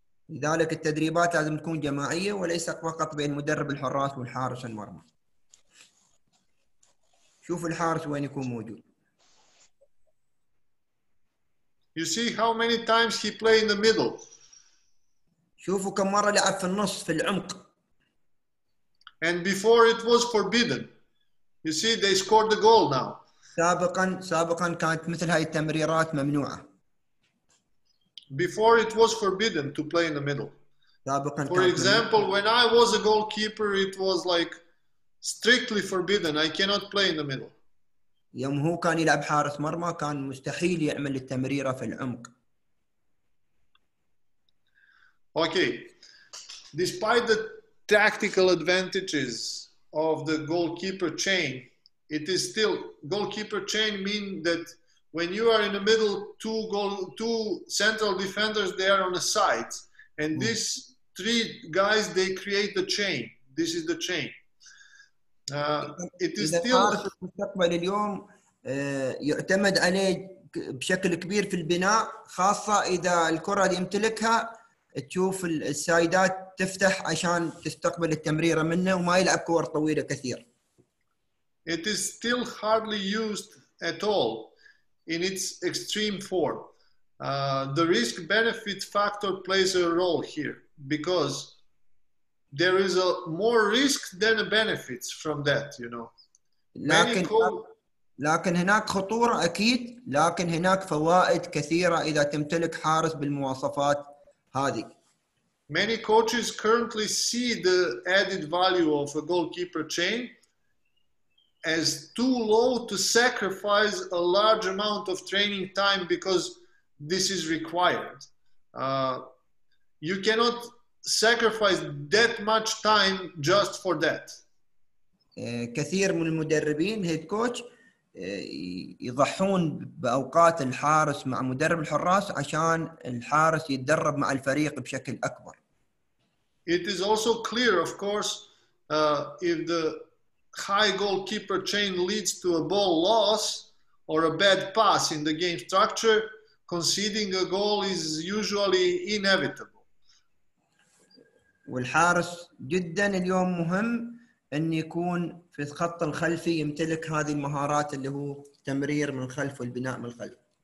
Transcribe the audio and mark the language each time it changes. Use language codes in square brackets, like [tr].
[ar] لذلك التدريبات لازم تكون جماعية وليس فقط بين مدرب الحراس والحارس المرمى. شوف الحارس وين يكون موجود. [en] You see how many times he play in the middle. [ar] شوفوا كم مرة لعب في النص في العمق. [en] And before it was forbidden. You see, they scored the goal now. [ar] سابقا كانت مثل هاي التمريرات ممنوعة. [en] Before it was forbidden to play in the middle. [ar] سابقا [en] for example, when I was a goalkeeper, it was like strictly forbidden. I cannot play in the middle. [ar] يوم هو كان يلعب حارس مرمى كان مستحيل يعمل التمريرة في العمق. [en] Okay. Despite the tactical advantages of the goalkeeper chain, it is still goalkeeper chain mean that when you are in the middle, two central defenders, they are on the sides. And these three guys, they create the chain. This is the chain. It is still... [ar] المستقبل اليوم يعتمد عليه بشكل كبير في البناء, خاصة إذا الكرة اللي يمتلكها تشوف السايدات تفتح عشان تستقبل التمريرة منه وما يلعب كور طويلة كثير. [en] It is still hardly used at all in its extreme form. The risk-benefit factor plays a role here because there is a more risk than a benefits from that, you know. [ar] لكن هناك خطورة أكيد, لكن هناك فوائد كثيرة إذا تمتلك حارس بالمواصفات هذه. [en] Many coaches currently see the added value of a goalkeeper chain as too low to sacrifice a large amount of training time because this is required. You cannot sacrifice that much time just for that. [ar] كثير من المدربين head coach يضحون بأوقات الحارس مع مدرب الحراس عشان الحارس يتدرب مع الفريق بشكل أكبر. [en] It is also clear, of course, if the high goalkeeper chain leads to a ball loss or a bad pass in the game structure, conceding a goal is usually inevitable. [ar] والحارس جدا اليوم مهم أن يكون في الخط الخلفي يمتلك هذه المهارات اللي هو تمرير من الخلف والبناء من الخلف.